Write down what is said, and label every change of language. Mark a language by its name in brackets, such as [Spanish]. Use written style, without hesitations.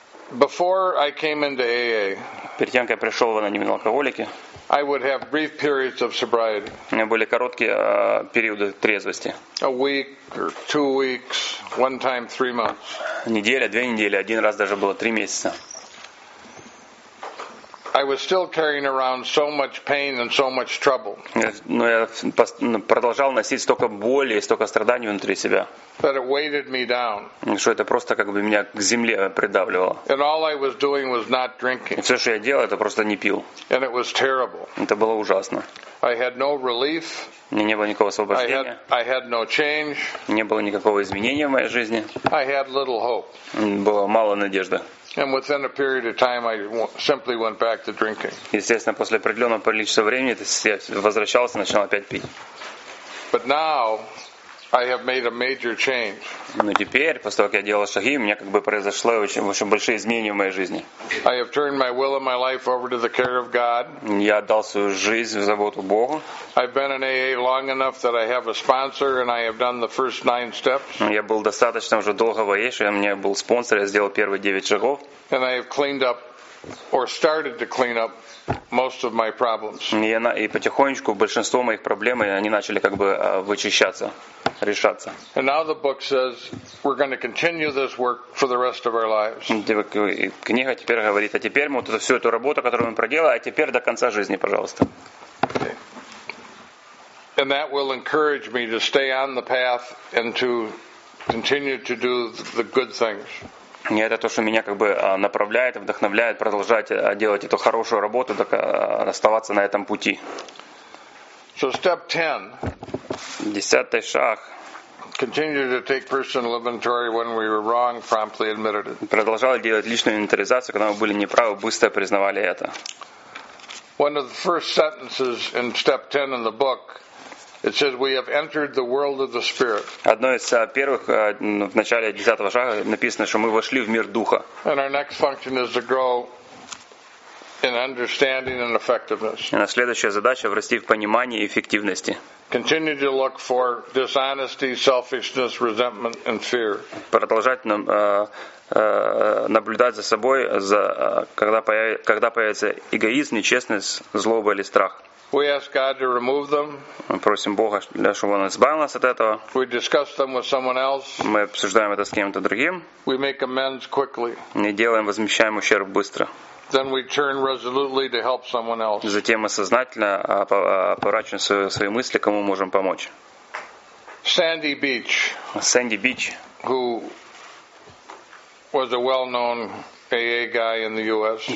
[English] Before I came into AA, [Russian] перед тем, как я пришел в анонимные алкоголики, [English] I would have brief periods of sobriety. [Russian] У меня были короткие периоды трезвости. [English] A week or 2 weeks, one time 3 months. [Russian] Неделя, две недели, один раз даже было 3 месяца. [English] I was still carrying around so much pain and so much trouble. [Russian] Но я продолжал носить столько боли и столько страданий внутри себя. [English] That it weighted me down. [Russian] Что это просто как бы меня к земле придавливало. [English] And all I was doing was not drinking. [Russian] И все, что я делал, это просто не пил. [English] And it was terrible. [Russian] Это было ужасно. [English] I had no relief. [Russian] У меня не было никакого освобождения. [English] I had no change. [Russian] Не было никакого изменения в моей жизни. [English] I had little hope. [Russian] Было мало надежды. [English] And within a period of time, I simply went back to drinking. [Russian] Естественно, после определенного количества времени я возвращался, начинал опять пить. [English] But now I have made a major change. [Russian] Но теперь, после того, как я делал шаги, у меня как бы произошло очень большие изменения в моей жизни. [English] I have turned my will and my life over to the care of God. [Russian] Я отдал свою жизнь в заботу Богу. [English] I've been in AA long enough that I have a sponsor and I have done the first 9 steps. [Russian] Я был достаточно уже долго в AA, что у меня был спонсор, я сделал первые 9 шагов. [English] And I have cleaned up or started to clean up most of my problems. [Russian] И потихонечку большинство моих проблем они начали как бы вычищаться. Решаться. [English] And now the book says we're going to continue this work for the rest of our lives. [Russian] Книга теперь говорит, а теперь мы вот всю эту работу, которую мы проделали, а теперь до конца жизни, пожалуйста. [English] And that will encourage me to stay on the path and to continue to do the good things. [Russian] И это то, что меня как бы направляет, вдохновляет продолжать делать эту хорошую работу, оставаться на этом пути. [English] So step 10. [Russian] Десятый шаг. [English] Continue to take personal inventory when we were wrong, promptly admitted it. [Russian] Продолжали делать личную инвентаризацию, когда мы были неправы, быстро признавали это. [English] One of the first sentences in step 10 in the book, it says we have entered the world of the spirit. [Russian] Одно из первых в начале десятого шага написано, что мы вошли в мир духа. [English] And our next function is to grow in understanding and effectiveness. [Russian] И следующая задача – врасти в понимании и эффективности. [English] Continue to look for dishonesty, selfishness, resentment, and fear. [Russian] Продолжать наблюдать за собой, когда появится эгоизм, нечестность, злоба или страх. [English] We ask God to remove them. [Russian] Мы просим Бога, чтобы Он избавил нас от этого. [English] We discuss them with someone else. [Russian] Мы обсуждаем это с кем-то другим. [English] We make amends quickly. [Russian] Мы делаем, возмещаем ущерб быстро. [English] Then we turn resolutely to help someone else. [Russian] Затем мы сознательно поворачиваем свои мысли, кому можем помочь. [English] Sandy Beach. Sandy Beach. Who was a well-known AA guy in the U.S.